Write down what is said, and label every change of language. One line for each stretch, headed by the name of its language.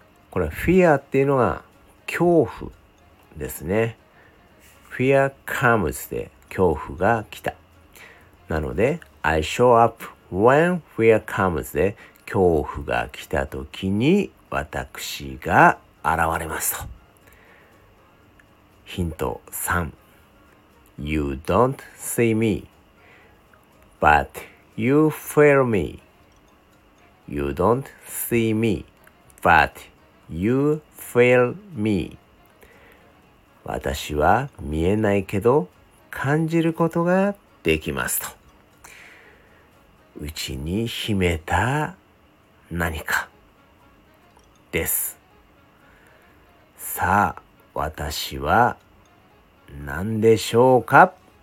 Japanese: これ fear っていうのは恐怖ですね。
English: fear comes
Japanese: で恐怖が来た。なので
English: I show up when fear comes
Japanese: で恐怖が来た時に私が現れますと。ヒント3。
English: You don't see me butYou feel me. You don't see me, but you feel me.
Japanese: 私は見えないけど感じることができますと。うちに秘めた何かです。さあ、私は何でしょうか？